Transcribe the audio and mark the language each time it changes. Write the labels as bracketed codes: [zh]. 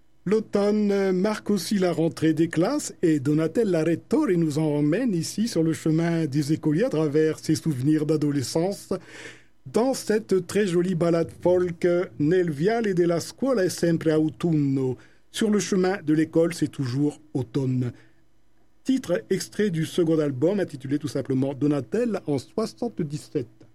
[fr] L'automne marque aussi la rentrée des classes et Donatella Rettore nous en emmène ici sur le chemin des écoliers à travers ses souvenirs d'adolescence. Dans cette très jolie balade folk, [it] Nel viale della scuola è sempre autunno. [fr] Sur le chemin de l'école, c'est toujours automne. Titre extrait du second album intitulé tout simplement Donatella en 77.